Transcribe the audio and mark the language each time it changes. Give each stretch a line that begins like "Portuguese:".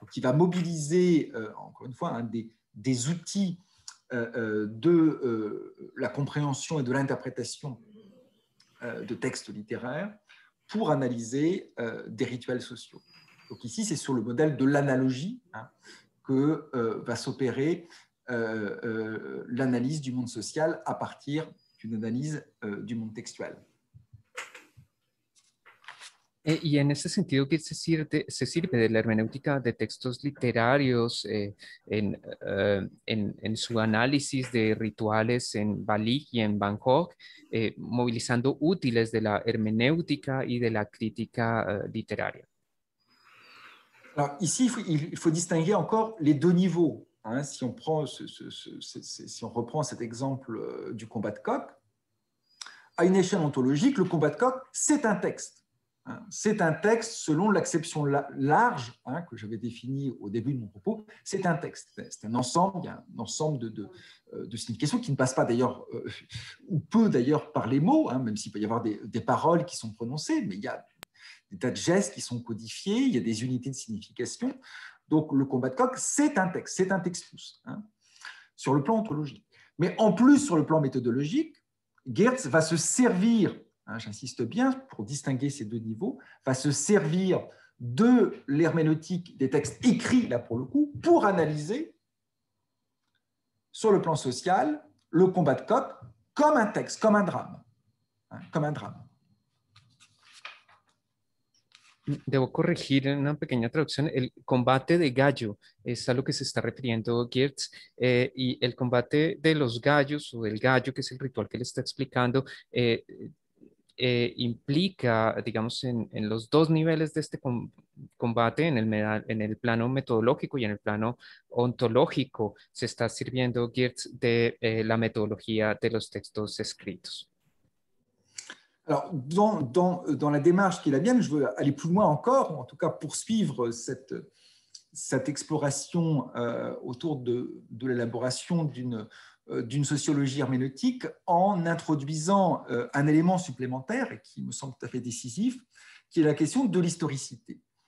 French: Donc, il va mobiliser, encore une fois, hein, des outils de la compréhension et de l'interprétation de textes littéraires pour analyser des rituels sociaux. Donc ici, c'est sur le modèle de l'analogie, hein, que va s'opérer l'analyse du monde social à partir d'une analyse du monde textuel.
Spanish: Y en ese sentido, ¿qué se sirve de la hermenéutica de textos literarios en su análisis de rituales en Bali y en Bangkok, movilizando útiles de la hermenéutica y de la crítica literaria?
French: Alors, ici, il faut distinguer encore les deux niveaux. Hein, si on prend si on reprend cet exemple du combat de coq, à une échelle ontologique, le combat de coq, c'est un texte. C'est un texte, selon l'acception large, hein, que j'avais définie au début de mon propos, c'est un texte, c'est un ensemble, il y a un ensemble de significations qui ne passent pas d'ailleurs, ou peu d'ailleurs, par les mots, hein, même s'il peut y avoir des paroles qui sont prononcées, mais il y a des tas de gestes qui sont codifiés, il y a des unités de signification. Donc le combat de coq, c'est un texte, c'est un textus, hein, sur le plan ontologique. Mais en plus, sur le plan méthodologique, Geertz va se servir, j'insiste bien, pour distinguer ces deux niveaux, va se servir de l'herméneutique des textes écrits, là pour le coup, pour analyser, sur le plan social, le combat de coq comme un texte, comme un drame. Hein, comme un drame.
Spanish: Debo corregir en una pequeña traducción, el combate de gallo es a lo que se está refiriendo Geertz, y el combate de los gallos o del gallo, que es el ritual que le está explicando, implica, digamos, en los dos niveles de este combate, en el plano metodológico y en el plano ontológico, se está sirviendo Geertz de la metodología de los textos escritos.
French: Alors, dans la démarche qui est la mienne, je veux aller plus loin encore, ou en tout cas poursuivre cette exploration autour de l'élaboration d'une sociologie herméneutique en introduisant un élément supplémentaire et qui me semble tout à fait décisif, qui est la question de l'historicité.